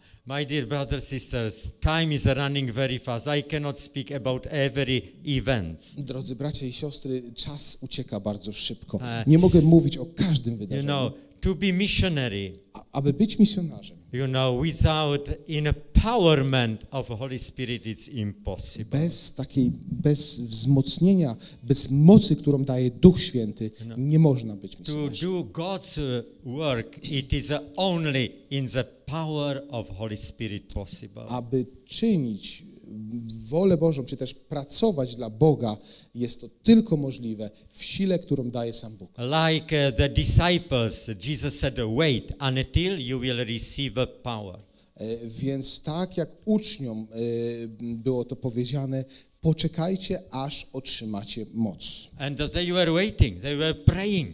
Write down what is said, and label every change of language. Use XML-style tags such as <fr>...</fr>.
<en>My dear brothers, sisters, time is running very fast. I cannot speak about every event.</en> <pl>Drodzy bracia i siostry, czas ucieka bardzo szybko. Nie mogę mówić o każdym wydarzeniu.</pl> <en>You know, to be missionary,</en> <pl>aby być misjonarzem,</pl> <en>you know, without empowerment of Holy Spirit, it's impossible.</en> <pl>Bez wzmocnienia, bez mocy, którą daje Duch Święty, nie można być misjonarzem.</pl> <en>To do God's work, it is only in the power of Holy Spirit possible.</en> <pl>Aby czynić wolę Bożą, czy też pracować dla Boga, jest to tylko możliwe w sile, którą daje sam Bóg.</pl> <en>Like the disciples, Jesus said, wait until you will receive power.</en> <pl>Więc tak jak uczniom było to powiedziane, poczekajcie, aż otrzymacie moc.</pl> <en>And they were waiting, they were praying.</en>